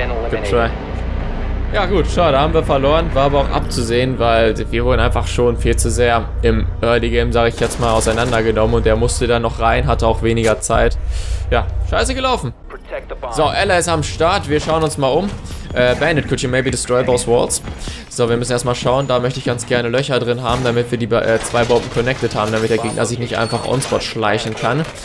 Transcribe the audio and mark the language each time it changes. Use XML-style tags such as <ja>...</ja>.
<en>Good try.</en> <de>Ja gut, schade, haben wir verloren, war aber auch abzusehen, weil wir wurden einfach schon viel zu sehr im Early Game, sag ich jetzt mal, auseinandergenommen und der musste dann noch rein, hatte auch weniger Zeit. Ja, scheiße gelaufen. So, Ella ist am Start, wir schauen uns mal um.</de> <en>Bandit, could you maybe destroy those walls?</en> <de>So, wir müssen erstmal schauen, da möchte ich ganz gerne Löcher drin haben, damit wir die zwei Bomben connected haben, damit der Gegner sich nicht einfach on-spot schleichen kann.</de>